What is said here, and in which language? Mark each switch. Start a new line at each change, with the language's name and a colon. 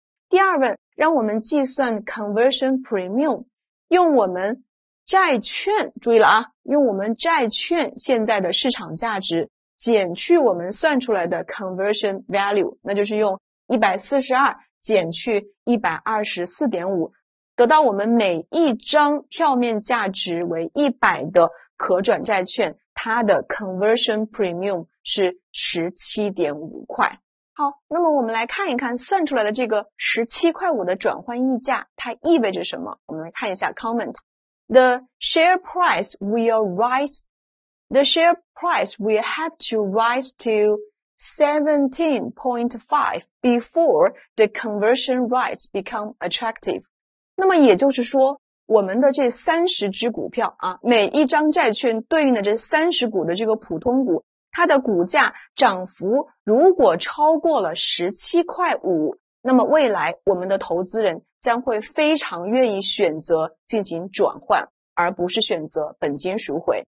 Chinese: 第二问，让我们计算 conversion premium， 用我们债券，注意了啊，用我们债券现在的市场价值减去我们算出来的 conversion value， 那就是用142减去 124.5， 得到我们每一张票面价值为100的可转债券，它的 conversion premium 是 17.5 块。好，那么我们来看一看算出来的这个17.5块的转换溢价它意味着什么。我们来看一下 comment。
English: The share price will rise The share price will have to rise to 17.5 before the conversion rights become attractive。
Chinese: 那么也就是说，我们的这30只股票啊，每一张债券对应的这30股的这个普通股，它的股价涨幅如果超过了17.5块，那么未来我们的投资人将会非常愿意选择进行转换，而不是选择本金赎回。